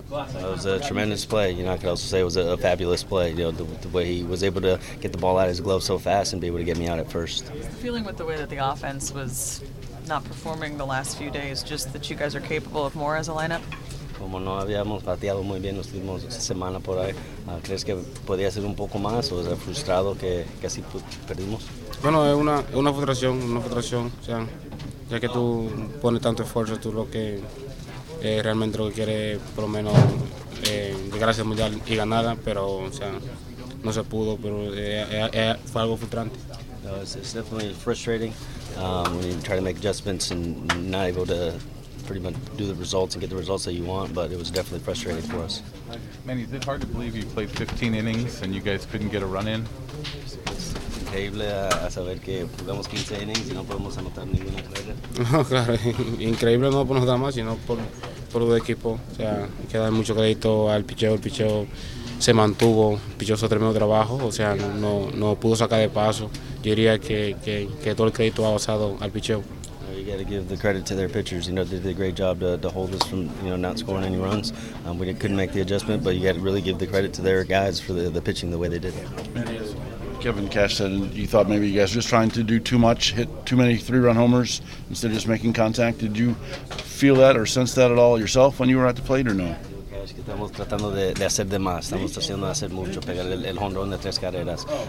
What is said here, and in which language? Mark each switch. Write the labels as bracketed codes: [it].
[en] It was a tremendous play, you know, I could also say it was a fabulous play, you know, the way he was able to get the ball out of his glove so fast and be able to get me out at first. The feeling with the way that the offense was not performing the last few days, just that you guys are capable of more as a lineup? [es] Como no habíamos bateado muy bien las últimas semanas por ahí, ¿crees que podía ser un poco más o estás frustrado que así perdimos? Bueno, es una frustración, o sea, ya que tú pones tanto esfuerzo, tú lo que realmente lo que quieres por lo menos llegar a ser mundial y ganarla, pero o sea, no se pudo, pero fue algo frustrante. [en] No, it's definitely frustrating when you try to make adjustments and not able to pretty much do the results and get the results that you want, but it was definitely frustrating for us. Manny, is it hard to believe you played 15 innings and you guys couldn't get a run in? It's [es] increíble a saber que jugamos 15 innings y no podemos anotar ninguna carrera. No, claro, increíble no por nada más, sino por el equipo. O sea, hay que dar mucho crédito al picheo. El picheo se mantuvo, el picheo hizo tremendo trabajo, o sea, no pudo sacar de paso. Yo diría que todo el crédito ha pasado al picheo. [en] You got to give the credit to their pitchers. You know, they did a great job to hold us from, you know, not scoring any runs. We couldn't make the adjustment, but you got to really give the credit to their guys for the pitching the way they did. Kevin Cash said you thought maybe you guys were just trying to do too much, hit too many three-run homers instead of just making contact. Did you feel that or sense that at all yourself when you were at the plate or no? [es] Estamos tratando de hacer de más. Estamos tratando de hacer mucho, pegar el home run de tres carreras.